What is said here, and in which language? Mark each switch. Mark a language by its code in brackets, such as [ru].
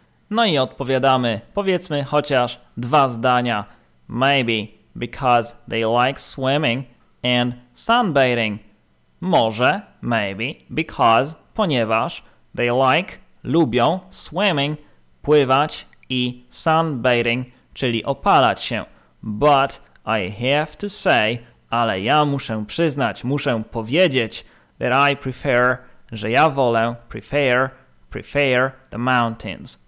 [pl] No i odpowiadamy, powiedzmy chociaż dwa zdania. [en] Maybe because they like swimming and sunbathing. [pl] Może, [en] maybe, because, [pl] ponieważ, [en] they like, [pl] lubią, [en] swimming, [pl] pływać i [en] sunbathing, [pl] czyli opalać się. [en] But I have to say, [pl] ale ja muszę przyznać, muszę powiedzieć [en] that I prefer, [pl] że ja wolę [en] prefer the mountains.